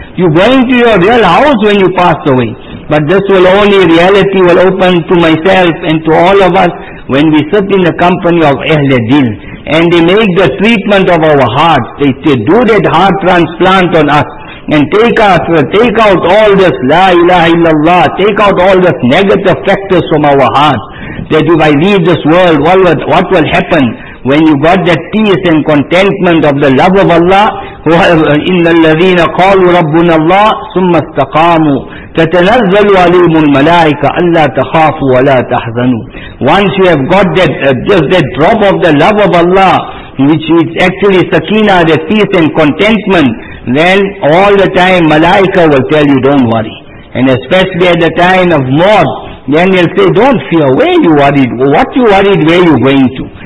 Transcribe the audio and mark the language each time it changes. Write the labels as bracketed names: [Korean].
[English] You're going to your real house when you pass away. But this will only, reality will open to myself and to all of us when we sit in the company of Ahle Deen. And they make the treatment of our heart. They do that heart transplant on us. And take out all this [Arabic] La ilaha illallah. [English] Take out all this negative factors from our heart. That if I leave this world, what will happen? When you got that peace and contentment of the love of Allah, [Arabic] إِنَّ الَّذِينَ قَالُوا رَبُّنَا اللَّهِ ثُمَّ اسْتَقَامُوا تَتَنَزَّلُوا عَلَيْهِمُ الْمَلَائِكَةُ أَلَّا تَخَافُوا وَلَا تَحْزَنُوا. [English] Once you have got that, just that drop of the love of Allah, which is actually sakina, that peace and contentment, then all the time malaika will tell you, don't worry. And especially at the time of mort, then they'll say, don't fear, where you worried, what you worried, where you going to?